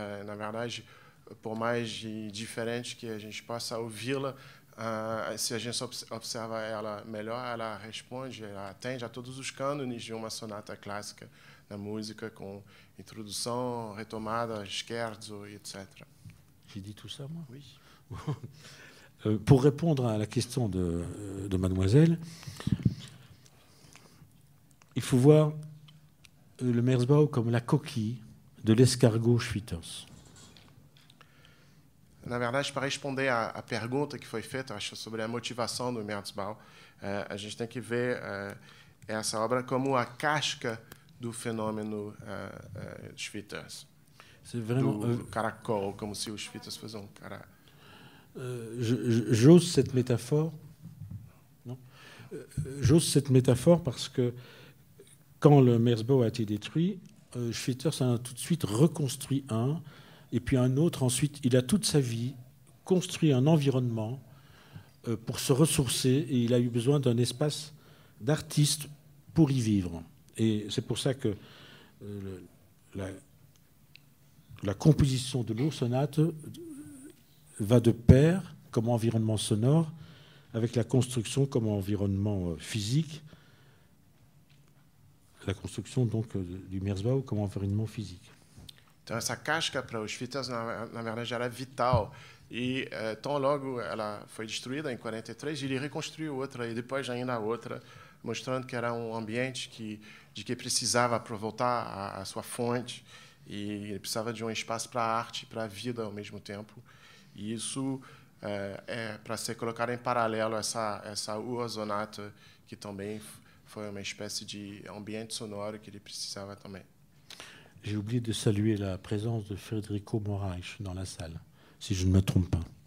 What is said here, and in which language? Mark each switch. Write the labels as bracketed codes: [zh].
[pt] Na verdade, por mais diferente que a gente possa ouvi-la, se a gente observa ela melhor, ela responde, ela atende a todos os cânones de uma sonata clássica na música, com introdução, retomada, scherzo, etc. [fr] J'ai dit tout ça, moi ? Oui. Pour répondre à la question de mademoiselle, il faut voir le Merzbau comme la coquille de l'escargot Schwitters. Na verdade, para responder à pergunta que foi feita, acho, sobre a motivação do Merzbau, a gente tem que ver essa obra como a casca do fenômeno Schwitters. C'est vraiment caracol, comme si Schwitters faisait un cara. J'ose cette métaphore. Non. J'ose cette métaphore parce que quand le Merzbau a été détruit, Schwitters en a tout de suite reconstruit un, et puis un autre ensuite. Il a toute sa vie construit un environnement pour se ressourcer, et il a eu besoin d'un espace d'artiste pour y vivre. Et c'est pour ça que la composition de l'ours sonate va de pair comme environnement sonore avec la construction comme environnement physique. La construction donc du Merzbau comme environnement physique. [pt] Então, essa casca para os Schwitters, na verdade, era vital. E tão logo ela foi destruída, em 43, ele reconstruiu outra e depois ainda outra, mostrando que era um ambiente que precisava para voltar à sua fonte. E ele precisava de um espaço para a arte e para a vida ao mesmo tempo. E isso é para ser colocado em paralelo essa ursonata, que também foi uma espécie de ambiente sonoro que ele precisava também. [fr] J'ai oublié de saluer la présence de Federico Moraes dans la salle, si je ne me trompe pas.